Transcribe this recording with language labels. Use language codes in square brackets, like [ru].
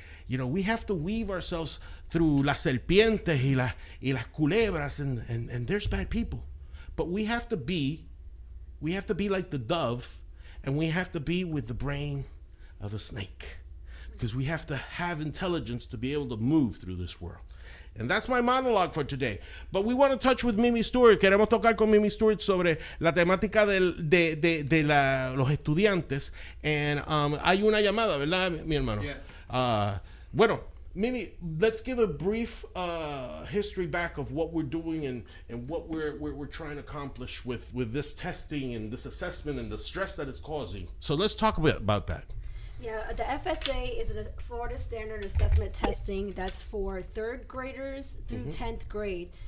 [en] You know, we have to weave ourselves through [es] las serpientes y las culebras [en] and there's bad people. But we have to be like the dove, and we have to be with the brain of a snake. because we have to have intelligence to be able to move through this world. And that's my monologue for today. But we want to touch with Mimi Stewart. [es] Queremos tocar con Mimi Stewart sobre la temática de los estudiantes. And hay una llamada, ¿verdad, mi hermano? [en] Yeah. Bueno, Mimi, let's give a brief history back of what we're doing and what we're trying to accomplish with this testing and this assessment and the stress that it's causing. So let's talk a bit about that. Yeah, the FSA is a Florida Standard Assessment testing that's for third graders through 10th grade.